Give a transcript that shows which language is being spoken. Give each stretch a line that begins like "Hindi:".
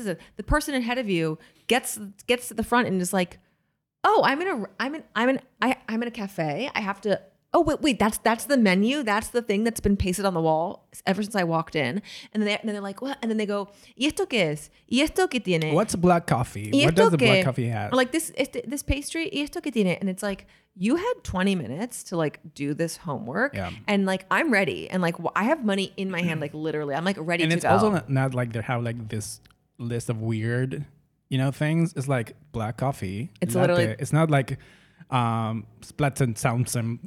English: The person ahead of you gets to the front and is like, oh, I'm in a cafe. I have to. Oh, wait, that's the menu. That's the thing that's been pasted on the wall ever since I walked in. And then they're like, what? And then they go,
Spanish: ¿y esto qué es? ¿Y esto qué tiene?
English: What's black coffee? What does the black coffee have? Or like this pastry,
Spanish: ¿y esto qué tiene?
English: And it's like, you had 20 minutes to like do this homework. Yeah. And like, I'm ready. And like, I have money in my hand, like literally. I'm like ready and to go. And it's also not like they have like this list of weird, you know, things. It's like black coffee. It's latte. Literally. It's not like... splats and sounds and